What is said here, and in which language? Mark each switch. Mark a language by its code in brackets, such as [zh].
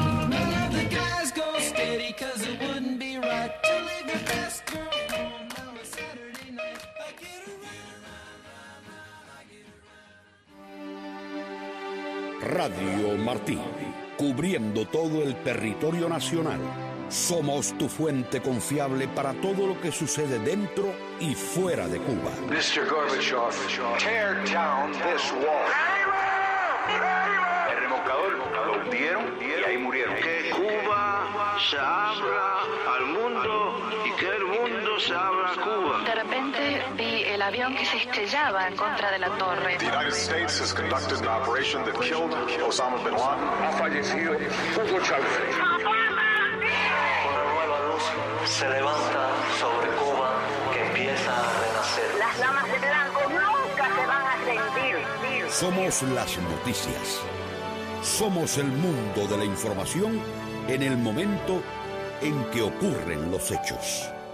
[en] None of the guys go steady, 'cause it wouldn't be right to leave your best girl home on a Saturday night. I get around, I get around. [es] Radio Martí, cubriendo todo el territorio nacional. Somos tu fuente confiable para todo lo que sucede dentro y fuera de Cuba. [en] Mr. Gorbachev, tear down this wall. [es] ¡Arriba! ¡Arriba! El remolcador lo hundieron y ahí murieron. Que Cuba se abra al mundo y que el mundo se abra a Cuba. De repente vi el avión que se estrellaba en contra de la torre. [en] The United States has conducted an operation that killed Osama bin Laden. [es] Ha fallecido Hugo Chávez. Una nueva luz se levanta sobre Cuba que empieza a renacer. Las damas de blanco nunca se van a rendir. Somos las noticias. Somos el mundo de la información en el momento en que ocurren los hechos.